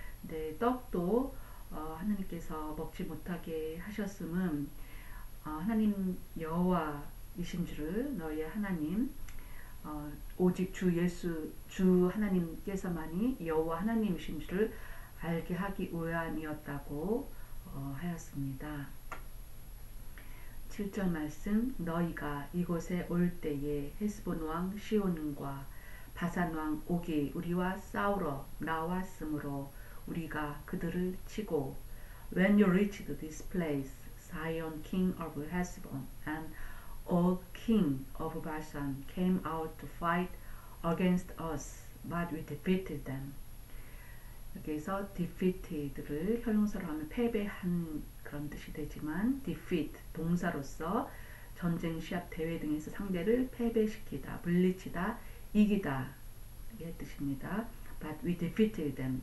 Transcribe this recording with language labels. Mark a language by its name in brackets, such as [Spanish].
[Korean] 네, 떡도 하느님께서 먹지 못하게 하셨음은 하나님 여호와 이신 줄을 너희의 하나님 오직 주 예수 주 하나님께서만이 여호와 하나님이신 줄을 알게 하기 위함이었다고 하였습니다. 7절 말씀 너희가 이곳에 올 때에 헤스본 왕 시온과 바산 왕 옥이 우리와 싸우러 나왔으므로 우리가 그들을 치고 [English] When you reached this place, Zion king of Hesbon and Og king of Bashan came out to fight against us, but we defeated them. [Korean] 여기서 defeated를 형용사로 하면 패배한 그런 뜻이 되지만 defeat, 동사로서 전쟁, 시합, 대회 등에서 상대를 패배시키다, 물리치다, 이기다 이 뜻입니다. [English] But we defeated them.